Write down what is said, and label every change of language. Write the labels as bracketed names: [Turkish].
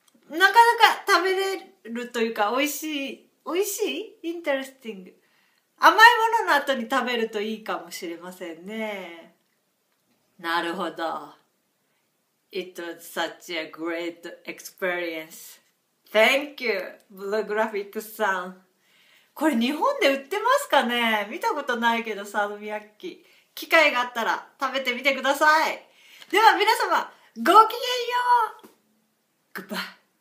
[Japanese] なかなか食べれるというか、美味しい。美味しい？ [English] Interesting. [Japanese] 甘いものの後に食べるといいかもしれませんね。なるほど。 [English] It was such a great experience. Thank you, Blue Graphics さん。 [Japanese] これ日本で売ってますかね？見たことないけど、サルミアッキ。機会があったら食べてみてください。では皆様、ごきげんよう！グッバイ。